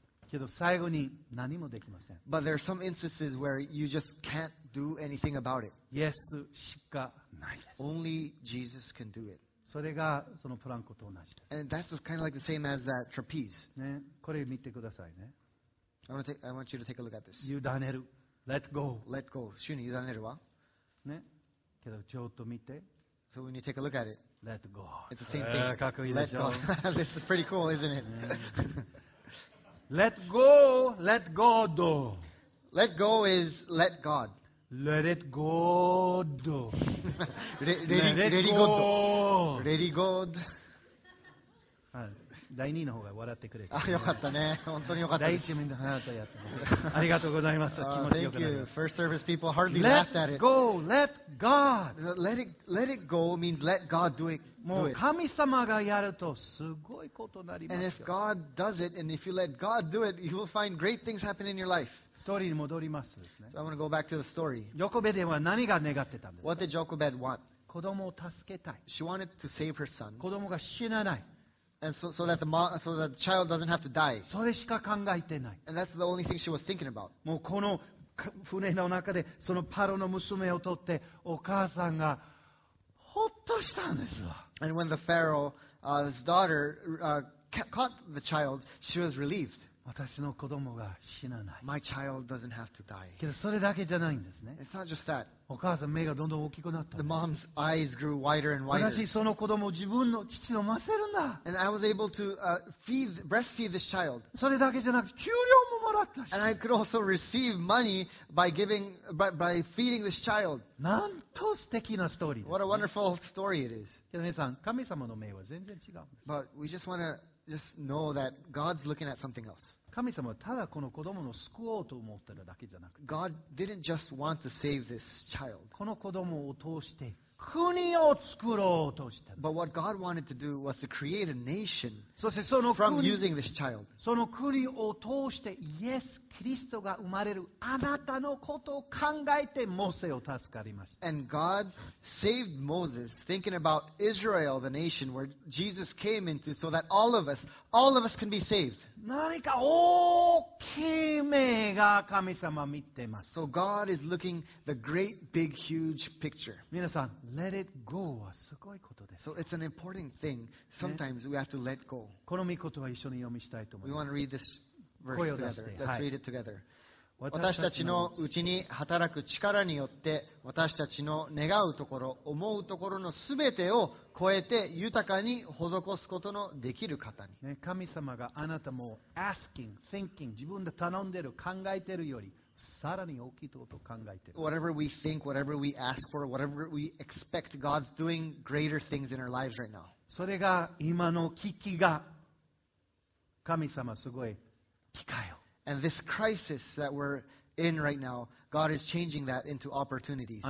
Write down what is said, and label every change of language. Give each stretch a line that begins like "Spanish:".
Japanese: けど最後に何もできません。
English: But there are some instances where you just can't do anything about it.
Japanese: イエスしかないです。
English: Only Jesus can do it.
Japanese: それがそのプランコと同じです。
English: And that's kind of like the same as that trapeze.
Japanese: ね、これ見てくださいね。
English: I want you to take a look at this.
Japanese: 委ねる。
English: Let go. Let go.
Japanese: 主に委ねるわ。ね、けどちょっと見て。
English: So when you take a look at it. Let go. It's the same thing.
Japanese: かっこいいでしょ。
English: This is pretty cool, isn't it? Let go, let God. Let go is let God. Let it go. ready go. Ready God.
Japanese: 第二の方が笑ってくれ。あ、よかったね。本当によかったです。第一面で花とやった。ありがとうございます。気持ちよかった。
English: Thank you. First service people hardly let laughed at it. Let go, let God. Let it go means let God do it.
Japanese: もう神様がやるとすごいことになります
English: よ。And if God does it, and if you let God do it, you will find great things happen in your life.
Japanese: ストーリーに戻りますですね。
English: So I want to go back to the story.
Japanese: ヨコベデは何が願ってたんですか。
English: What did Jochebed want?
Japanese: 子供を助けたい。
English: She wanted to save her son.
Japanese: 子供が死なない。
English: And so, so that the child doesn't have to die.
Japanese: それしか考えてない。
English: And that's the only thing she was thinking about.
Japanese: もうこの船の中でそのパロの娘を取ってお母さんがほっとしたんですわ。
English: And when the Pharaoh, his daughter, caught the child, she was relieved.
Japanese: 私の子供が死なない。
English: My child doesn't have to die.
Japanese: けどそれだけじゃないんですね。
English: It's not just that.
Japanese: お母さん目がどんどん大きくなった。
English: The mom's eyes grew wider and wider.
Japanese: 私その子供を自分の乳を飲ませるんだ。
English: And I was able to breastfeed this child.
Japanese: それだけじゃなくて給料ももらったし。
English: And I could also receive money by feeding this child.
Japanese: なんと素敵なストーリー。
English: What a wonderful story it is.
Japanese: けど皆さん、神様の目は全然違うんです。
English: But we just want to. Just know that God's looking at something else.
Japanese: 神様はただこの子供を救おうと思っているだけじゃなくて、
English: God didn't just want to save this child.
Japanese: この子供を通して国を作ろうとした。
English: But what God wanted to do was to create a nation.
Japanese: そしてその国
English: from using this child.
Japanese: その国を通してイエス・キリストが生まれるあなたのことを考えてモーセを助かりました。
English: And God saved Moses thinking about Israel, the nation where Jesus came into, so that all of us can be saved.
Japanese: 何か大きい目が神様見てます。
English: So God is looking the great, big, huge picture.
Japanese: 皆さん、
English: Let it go
Japanese: はすごいことです。
English: So it's an important thing. Sometimes we have to let go.
Japanese: この御言葉は一緒に読みしたいと思います。
English: We want to read this. Let's read it together.
Japanese: 私たちのうちに働く力によって私たちの願うところ思うところのすべてを超えて豊かに施すことのできる方に、ね、神様があなたも
English: asking, thinking
Japanese: 自分で頼んでる考えてるよりさらに大きいことを考えてる
English: whatever we think, whatever we ask for whatever we expect God's doing greater things in our lives right now
Japanese: それが今の危機が神様すごい
English: And this crisis that we're in right now, God is changing that into opportunities.